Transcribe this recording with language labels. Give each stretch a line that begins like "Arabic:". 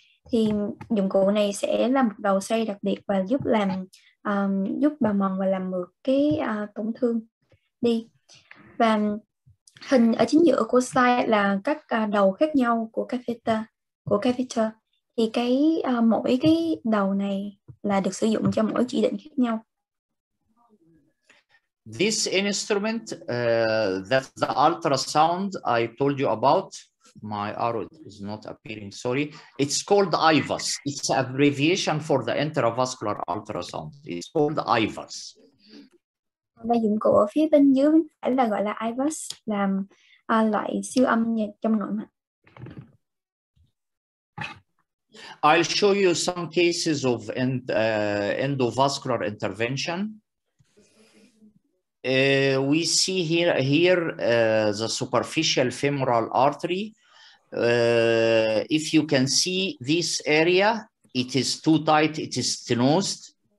Vietnamese: Thì dụng cụ này sẽ là một đầu xoay đặc biệt và giúp làm giúp bào mòn và làm mượt cái tổn thương đi. Và hình ở chính giữa của slide là các đầu khác nhau của catheter thì cái mỗi cái đầu này là được sử dụng cho mỗi chỉ định khác nhau.
English: This instrument that's the ultrasound I told you about. My arrow is not appearing, sorry. It's called IVUS. It's an abbreviation for the intravascular ultrasound. It's called IVUS.
Vietnamese: Và dụng cụ ở phía bên dưới bên phải là gọi là IVUS, là loại siêu âm trong nội mạch.
English: I'll show you some cases of endovascular intervention. We see here the superficial femoral artery. If you can see this area, it is too tight, it is stenosed.